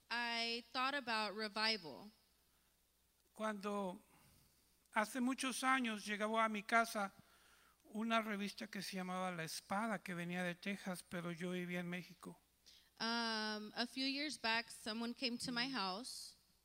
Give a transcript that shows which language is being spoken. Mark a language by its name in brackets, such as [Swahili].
[English] I thought about revival. [Spanish] Cuando hace muchos años llegaba a mi casa una revista que se llamaba La Espada, que venía de Texas, pero yo vivía en México. [English] A few years back, someone came to my house.